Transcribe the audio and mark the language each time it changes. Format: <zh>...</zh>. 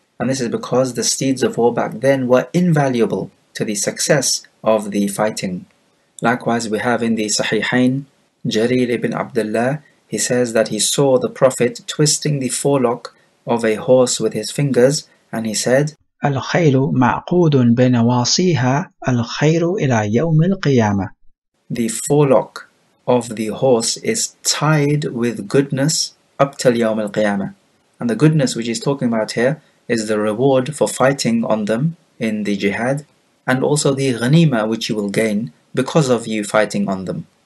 <en>And this is because the steeds of war back then were invaluable to the success of the fighting. Likewise, we have in the Sahihain, Jarir ibn Abdullah, he says that he saw the Prophet twisting the forelock of a horse with his fingers, and he said,</en> <ar>الخيل معقود بنواصيها الخير إلى يوم القيامة.</ar> <en>The forelock of the horse is tied with goodness up till يوم القيامة. And the goodness which he's talking about here is the reward for fighting on them in the jihad, and also the ghanima which you will gain because of you fighting on them.</en>